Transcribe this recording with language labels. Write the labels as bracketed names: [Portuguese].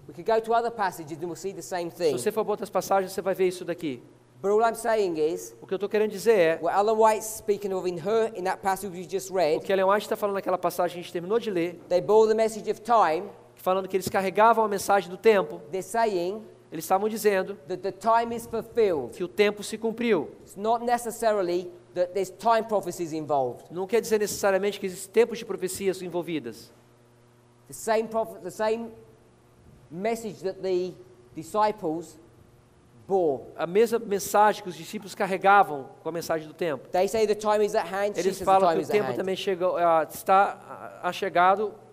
[English] We can go to other passages and we'll see the same thing. [Portuguese] Se você for para outras passagens, você vai ver isso daqui. [English] But all I'm saying is, [Portuguese] o que eu estou querendo dizer é [English] what Ellen White's speaking of in her in that passage we just read. [Portuguese] O que Ellen White está falando naquela passagem que a gente terminou de ler. [English] They bore the message of time. [Portuguese] Falando que eles carregavam a mensagem do tempo. [English] They're saying, [Portuguese] eles estavam dizendo [English] that the time is fulfilled. [Portuguese] Que o tempo se cumpriu. [English] It's not necessarily that there's time prophecies involved. [Portuguese] Não quer dizer necessariamente que existem tempos de profecias envolvidas. [English] The same the same message that the disciples bore. [Portuguese] A mesma mensagem que os discípulos carregavam com a mensagem do tempo. [English] They say the time is at hand. [Portuguese] Eles falam que o tempo também chegou, está chegado.